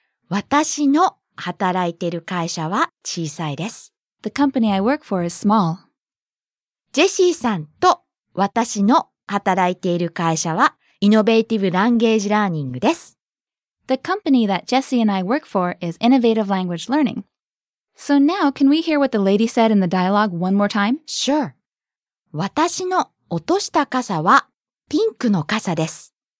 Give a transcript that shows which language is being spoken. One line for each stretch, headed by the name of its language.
Japanese: 私の働いている会社は小さいです。
English: The company I work for is small.
Japanese: ジェシーさんと私の働いている会社はイノベーティブランゲージラーニングです。
English: The company that Jesse and I work for is Innovative Language Learning. So now, can we hear what the lady said in the dialogue one more time? Sure.
Japanese: 私の落とした傘はピンクの傘です。